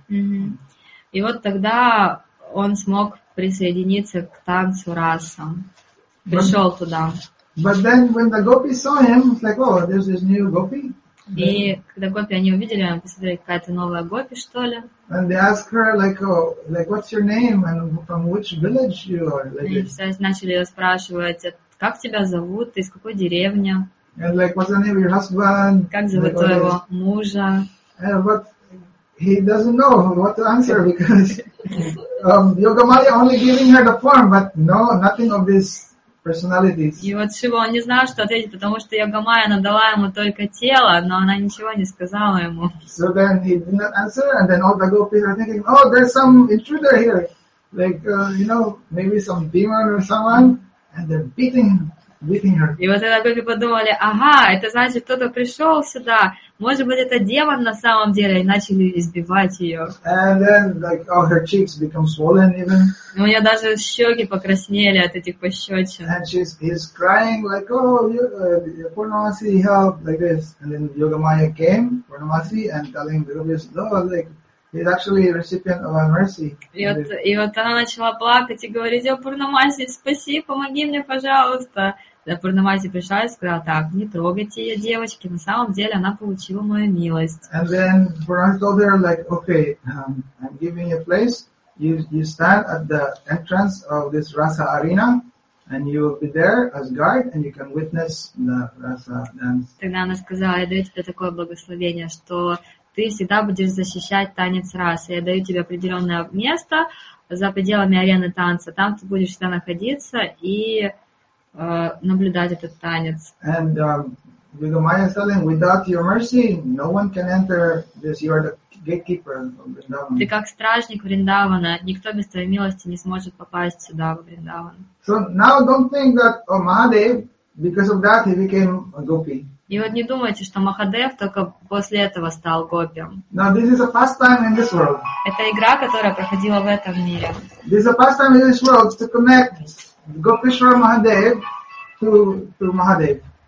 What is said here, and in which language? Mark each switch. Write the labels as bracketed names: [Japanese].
[Russian] И вот тогда он смог присоединиться к танцу Раса. Пришел туда. [English] But then when the gopi saw him, it's like, oh, there's this new gopi. [Russian] И когда гопи они увидели, они посмотрели, какая-то новая гопи, что ли. [English] And they ask her, like, what's your name and from which village you are? [Russian] И все начали ее спрашивать, как тебя зовут, ты из какой деревни? [English] And like, what's the name of your husband? [Russian] Как зовут твоего мужа? [English] But he doesn't know what to answer because Yogamaya only giving her the form, but no, nothing of this. [Russian] И вот Шива, он не знал, что ответить, потому что Йогамая надала ему только тело, но она ничего не сказала ему. [English] So then he did not answer, and then all the gopis are thinking, oh, there's some intruder here, maybe some demon or someone, and they're beating her. [Russian] И вот тогда гопи подумали, ага, это значит, кто-то пришел сюда, может быть, это демон на самом деле, и начали избивать ее. [English] And then, her cheeks become swollen even. [Russian] У нее даже щеки покраснели от этих пощечин. [English] And she's crying, Purnamasi, help, And then Yogamaya came, Purnamasi, and telling the gopis, he's actually a recipient of our mercy. [Russian] И вот она начала плакать и говорить, о, Пурнамаси, спаси, помоги мне, пожалуйста. Да, Пурнамаси пришла и сказала, так, не трогайте ее, девочки, на самом деле она получила мою милость. [English] And then Pranamasi told her, I'm giving you a place. You stand at the entrance of this Rasa Arena, and you will be there as guard, and you can witness the Rasa dance. [Russian] Тогда она сказала, я даю тебе такое благословение, что ты всегда будешь защищать танец Раса. Я даю тебе определенное место за пределами арены танца. Там ты будешь всегда находиться и наблюдать этот танец. [English] And Yogamaya is telling, without your mercy, no one can enter this. You are the gatekeeper of Vrindavan. [Russian] Ты как стражник Вриндавана. Никто без твоей милости не сможет попасть сюда, в Вриндаван. [English] So now don't think that Mahadev, because of that, he became a gopi. [Russian] И вот не думайте, что Махадев только после этого стал гопи. [English] Now, this is a pastime in this world. [Russian] Это игра, которая проходила в этом мире. [English] This is a pastime in this world to connect Gopeshwar Mahadev to Mahadev.